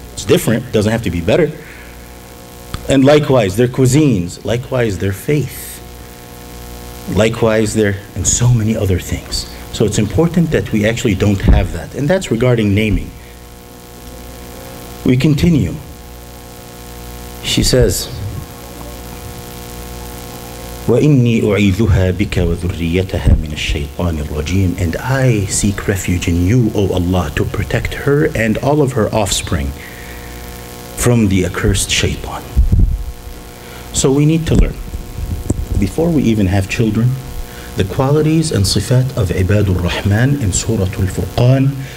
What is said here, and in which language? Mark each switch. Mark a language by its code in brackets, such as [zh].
[en] It's different, doesn't have to be better. And likewise, their cuisines. Likewise, their faith. Likewise, their, and so many other things. So it's important that we actually don't have that. And that's regarding naming. We continue. She says, [ar] وَإِنِّي أُعِيذُهَا بِكَ وَذُرِّيَّتَهَا مِنَ الشَّيْطَانِ الرَّجِيمِ. [en] And I seek refuge in you, O Allah, to protect her and all of her offspring from the accursed shaytan. So we need to learn, before we even have children, the qualities and sifat of Ibadur Rahman in Surah Al-Furqan.